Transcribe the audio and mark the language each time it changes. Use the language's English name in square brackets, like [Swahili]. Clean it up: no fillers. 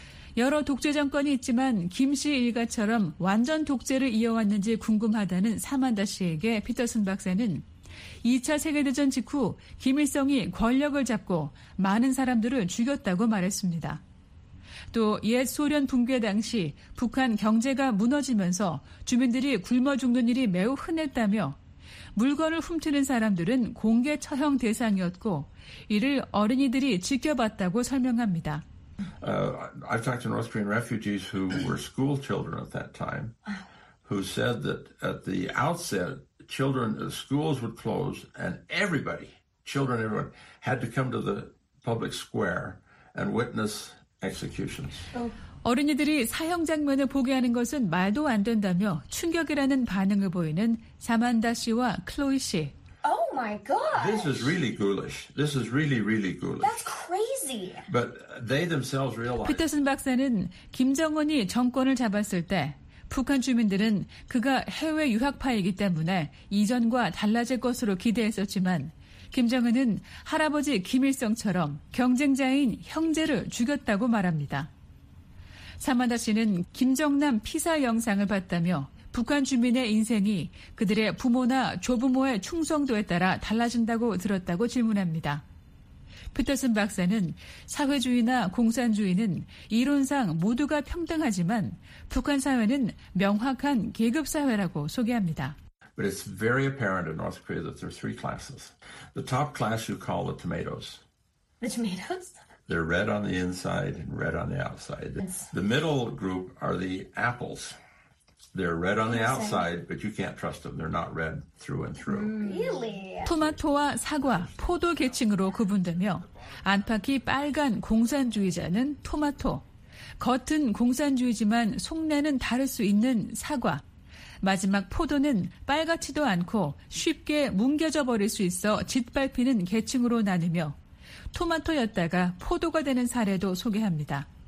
[Korean] 여러 독재 정권이 있지만 김 씨 일가처럼 완전 독재를 이어왔는지 궁금하다는 사만다 씨에게 피터슨 박사는 2차 세계대전 직후 김일성이 권력을 잡고 많은 사람들을 죽였다고 말했습니다. 또 옛 소련 붕괴 당시 북한 경제가 무너지면서 주민들이 굶어 죽는 일이 매우 흔했다며 물건을 훔치는 사람들은 공개 처형 대상이었고 이를 어린이들이 지켜봤다고 설명합니다. [English] I've talked to North Korean refugees who were school children at that time who said that at the outset children schools would close and everybody children everyone had to come to the public square and witness executions. [Korean] 어린이들이 사형 장면을 보게 하는 것은 말도 안 된다며 충격이라는 반응을 보이는 사만다 씨와 클로이 씨. [English] Oh my god. This is really ghoulish. This is really really ghoulish. That's crazy. But they themselves realize. [Korean] 피터슨 박사는 김정은이 정권을 잡았을 때 북한 주민들은 그가 해외 유학파이기 때문에 이전과 달라질 것으로 기대했었지만 김정은은 할아버지 김일성처럼 경쟁자인 형제를 죽였다고 말합니다. 사만다 씨는 김정남 피사 영상을 봤다며 북한 주민의 인생이 그들의 부모나 조부모의 충성도에 따라 달라진다고 들었다고 질문합니다. 피터슨 박사는 사회주의나 공산주의는 이론상 모두가 평등하지만 북한 사회는 명확한 계급 사회라고 소개합니다. [English] But it's very apparent in North Korea that there are three classes. The top class you call the tomatoes. The tomatoes? They're red on the inside and red on the outside. The middle group are the apples. They're red on the outside, but you can't trust them. They're not red through and through. Really? [Korean] 토마토와 사과, 포도 계층으로 구분되며 안팎이 빨간 공산주의자는 토마토, 겉은 공산주의지만 속내는 다를 수 있는 사과, 마지막 포도는 빨갛지도 않고 쉽게 뭉겨져 버릴 수 있어 짓밟히는 계층으로 나누며 토마토였다가 포도가 되는 사례도 소개합니다.